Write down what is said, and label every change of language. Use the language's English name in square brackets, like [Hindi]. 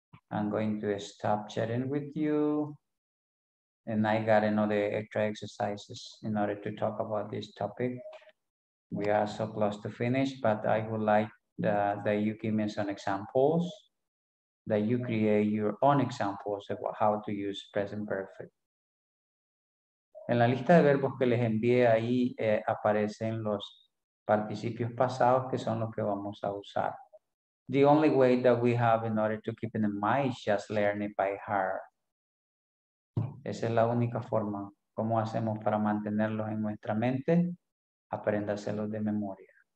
[English] I'm going to stop chatting with you. And I got another extra exercises in order to talk about this topic. We are so close to finish, but I would like that you give me some examples, that you create your own examples of how to use present perfect. [Spanish] En la lista de verbos que les envié ahí aparecen los participios pasados que son los que vamos a usar. [English] The only way that we have in order to keep it in mind is just learn it by heart. [Spanish] Esa es la única forma. ¿Cómo hacemos para mantenerlos en nuestra mente? Apréndaselos de memoria.